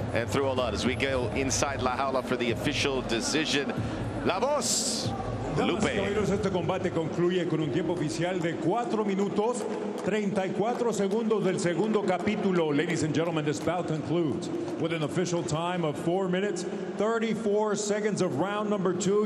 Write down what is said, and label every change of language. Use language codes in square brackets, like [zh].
[en] And threw a lot. As we go inside La Jaula for the official decision. [es] La Voz. Lupe. Este combate concluye con un tiempo oficial de 4 minutos 34 segundos del segundo capítulo. [en] Ladies and gentlemen, this bout concludes with an official time of 4 minutes 34 seconds of round number 2.